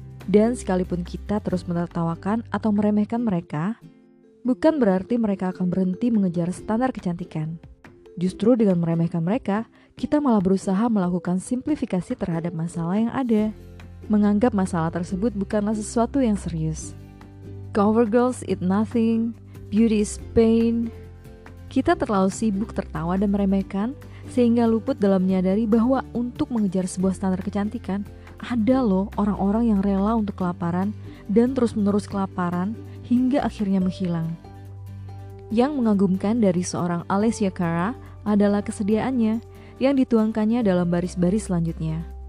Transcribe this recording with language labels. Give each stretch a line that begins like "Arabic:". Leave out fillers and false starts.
Indonesian: Dan sekalipun kita terus menertawakan atau meremehkan mereka, bukan berarti mereka akan berhenti mengejar standar kecantikan. Justru dengan meremehkan mereka, kita malah berusaha melakukan simplifikasi terhadap masalah yang ada, menganggap masalah tersebut bukanlah sesuatu yang serius.
English: CoverGirls eat nothing, beauty is pain.
Indonesian: Kita terlalu sibuk tertawa dan meremehkan, sehingga luput dalam menyadari bahwa untuk mengejar sebuah standar kecantikan, ada loh orang-orang yang rela untuk kelaparan dan terus-menerus kelaparan hingga akhirnya menghilang. Yang mengagumkan dari seorang Alessia Cara adalah kesediaannya yang dituangkannya dalam baris-baris selanjutnya.